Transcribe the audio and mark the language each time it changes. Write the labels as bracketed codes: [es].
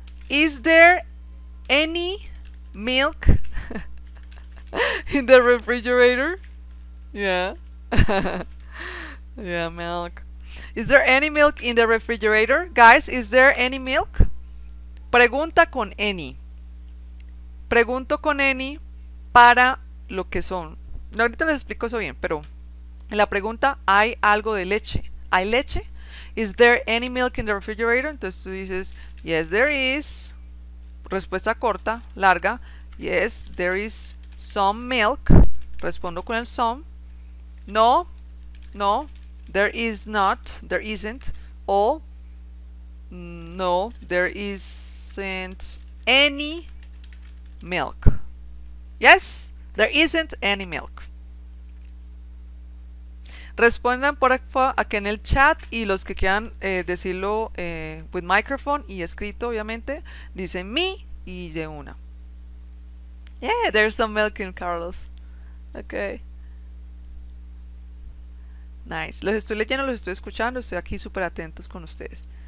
[en] Is there any milk in the refrigerator? Yeah. Yeah, milk. Is there any milk in the refrigerator? Guys, is there any milk? [es] Pregunta con any. Pregunto con any para lo que son. Ahorita les explico eso bien, pero en la pregunta, ¿hay algo de leche? ¿Hay leche? [en] Is there any milk in the refrigerator? [es] Entonces tú dices, [en] yes, there is. [es] Respuesta corta, larga. [en] Yes, there is some milk. [es] Respondo con el some. [en] No, no, there is not, there isn't. O no, there isn't any milk. Yes, there isn't any milk. [es] Respondan por aquí en el chat y los que quieran decirlo [en] with microphone [es] y escrito, obviamente, dicen me y de una. [en] Yeah, there's some milk in Carlos. Okay. Nice. [es] Los estoy leyendo, los estoy escuchando, estoy aquí súper atentos con ustedes.